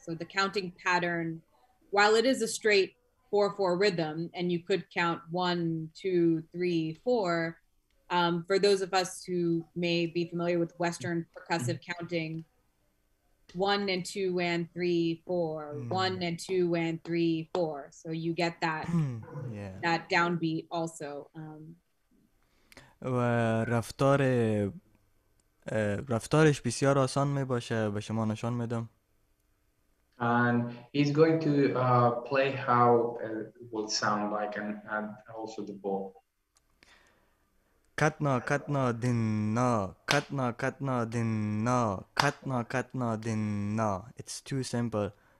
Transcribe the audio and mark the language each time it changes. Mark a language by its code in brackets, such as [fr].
[en] So the counting pattern, while it is a straight 4-4 rhythm, and you could count 1, 2, 3, 4, For those of us who may be familiar with Western percussive counting, one and two and three, four, one and two and three, four. So you get that that downbeat also. [fa] و رفتار رفتارش بسیار آسان می باشه به شما نشان میدم. [en] And he's going to play how it would sound like and also the ball. Katna katna din na, katna katna din na, katna katna din na. It's too simple.